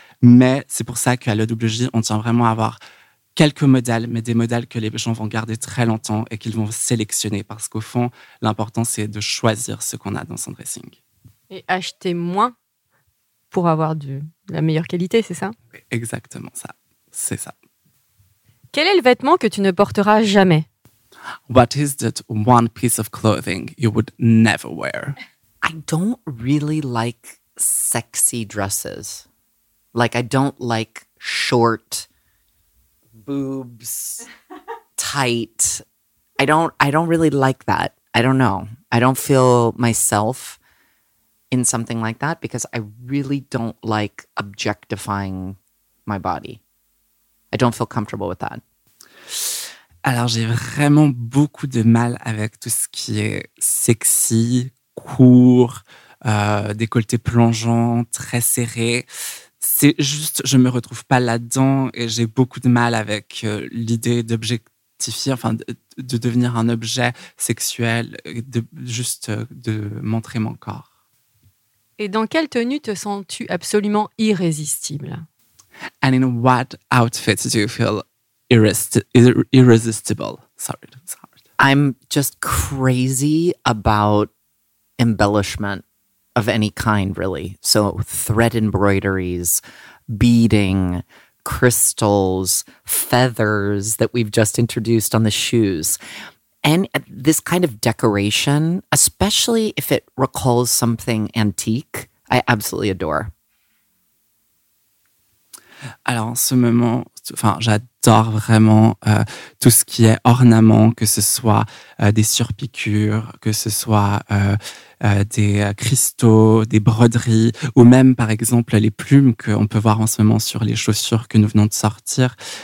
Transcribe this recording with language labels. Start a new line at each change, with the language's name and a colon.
French: Mais c'est pour ça qu'à l'EWJ, on tient vraiment à avoir quelques modèles, mais des modèles que les gens vont garder très longtemps et qu'ils vont sélectionner. Parce qu'au fond, l'important, c'est de choisir ce qu'on a dans son dressing. Et acheter moins pour avoir de la meilleure qualité, c'est ça? Exactement ça, c'est ça. Quel est le vêtement que tu ne porteras jamais?
English: What is that one piece of clothing you would never wear? I don't really like sexy dresses. Like, I don't like short boobs, tight. I don't really like that. I don't know. I don't feel myself in something like that because I really don't like objectifying my body. I don't feel comfortable with that.
French: Alors, j'ai vraiment beaucoup de mal avec tout ce qui est sexy, court, décolleté plongeant, très serré. C'est juste, je ne me retrouve pas là-dedans et j'ai beaucoup de mal avec l'idée d'objectifier, enfin, de devenir un objet sexuel, de montrer mon corps. Et dans quelle tenue te sens-tu absolument irrésistible?
English: And in what outfit do you feel irresistible? Sorry, that's hard. I'm just crazy about embellishment of any kind, really. So thread embroideries, beading, crystals, feathers that we've just introduced on the shoes. And this kind of decoration, especially if it recalls something antique, I absolutely adore.
French: Alors, en ce moment, j'adore vraiment tout ce qui est ornement, que ce soit des surpiqûres, que ce soit des cristaux, des broderies, ou même, par exemple, les plumes qu'on peut voir en ce moment sur les chaussures que nous venons de sortir.